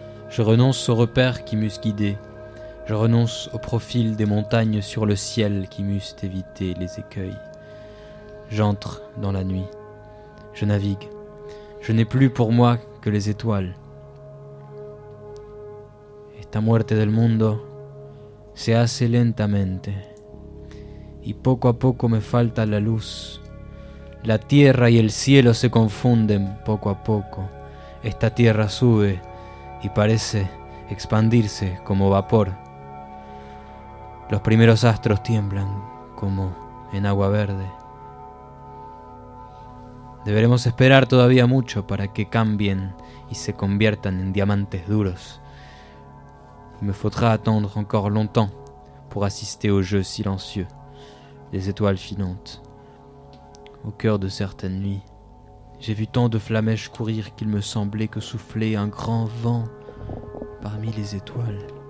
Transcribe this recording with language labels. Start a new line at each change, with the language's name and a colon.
French: Je renonce aux repères qui m'eussent guidé. Je renonce au profil des montagnes sur le ciel qui m'eussent évité les écueils. J'entre dans la nuit. Je navigue. Je n'ai plus pour moi que les étoiles.
Spanish: Esta muerte del mundo se hace lentamente. Y poco a poco me falta la luz. La tierra y el cielo se confunden poco a poco. Esta tierra sube y parece expandirse como vapor. Los primeros astros tiemblan como en agua verde. Deberemos esperar todavía mucho para que cambien y se conviertan en diamantes duros.
French: Il me faudra attendre encore longtemps pour assister au jeu silencieux des étoiles filantes. Au cœur de certaines nuits, j'ai vu tant de flamèches courir qu'il me semblait que soufflait un grand vent parmi les étoiles.